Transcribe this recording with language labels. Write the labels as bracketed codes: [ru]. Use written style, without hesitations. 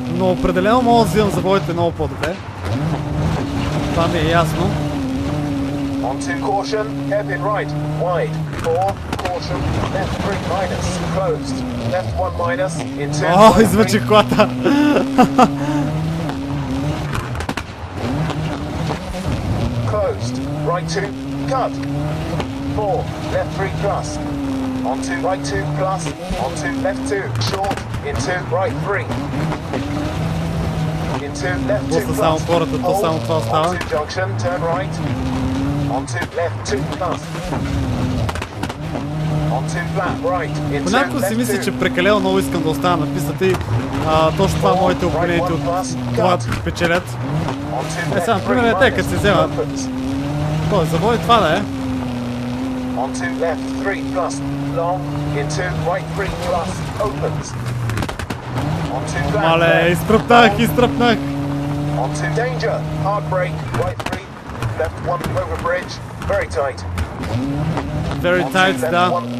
[bg] Но определено мога да взимам завоите много по-добре. Това ми е ясно. [en] Onto caution, heavy right, wide, 4, caution, left 3 minus, closed, left 1 minus, into right 3. [bg] О, измъчих колата. [en] Right 2, cut. 4, left 3 plus. Onto right 2 plus. Onto left 2, short. Into right 3. Into left 2 plus. Hold. Onto junction, turn right. Onto left 2 plus. Onto left 2 plus. Onto left 2 plus. Onto left 2 plus. [bg] Понякога си мисля, че прекалено много искам да остана на пистата и точно това моите опоненти от това печелят. Е сега, например, е те, като се взема То е завой това, да е? [en] On to left 3 plus, long, into right 3 plus, opens. [bg] Мале, изтръпнах, изтръпнах! [en] On to danger, hard brake, right 3, left 1 over bridge, very tight. Very on tight, [bg] да.